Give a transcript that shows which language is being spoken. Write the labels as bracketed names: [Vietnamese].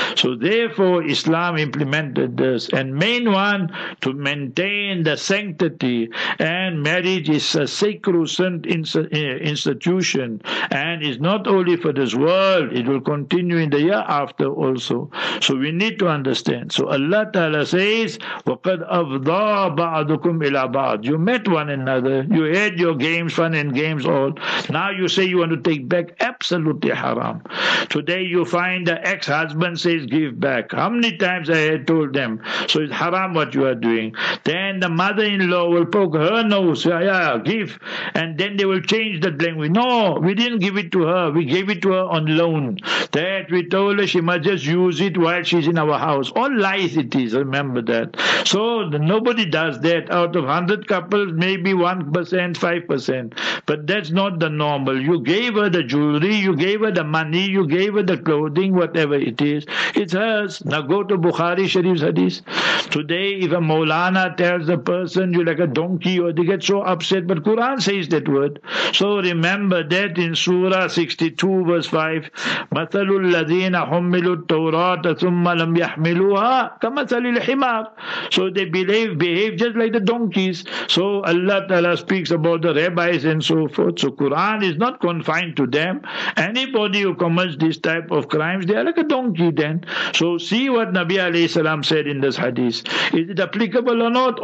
[English] So therefore, Islam implemented this. And main one, to maintain the sanctity. And marriage is a sacrosanct institution, and is not only for this world, it will continue in the year after also. So we need to understand. So Allah Ta'ala says, [Arabic] وَقَدْ أَفْضَى بَعْضُكُمْ إِلَى بَعْضٍ. [English] You met one another, you had your games, fun and games all. Now you say you want to take back. Absolutely haram. Today you find the ex-husband says, give back. How many times I had told them? So it's haram what you are doing. Then the mother-in-law will poke her nose. Yeah, give. And then they will change the language. No, we didn't give it to her. We gave it to her on loan. That we told her she must just use it while she's in our house. All lies it is, remember that. So nobody does that. Out of 100 couples, maybe 1%, 5%. But that's not the normal. You gave her the jewelry, you gave her the money, you gave her the clothing, whatever it is. It's hers. Now go to Bukhari Sharif's hadith. Today, if a Maulana tells a person, you're like a donkey, or they get so upset, but Quran says that word. So remember that in Surah 62, verse 5, [Arabic] مَثَلُ الَّذِينَ حُمِّلُوا التَّوْرَاةَ ثُمَّ لَمْ يَحْمِلُوهَا كَمَثَلِ الْحِمَارِ. [English] So they behave just like the donkeys. So Allah Ta'ala speaks about the rabbis and so forth. So Quran is not confined to them. Anybody who commits this type of crimes, they are like a donkey then. So see what Nabi alayhi salam said in this hadith. Is it applicable or not?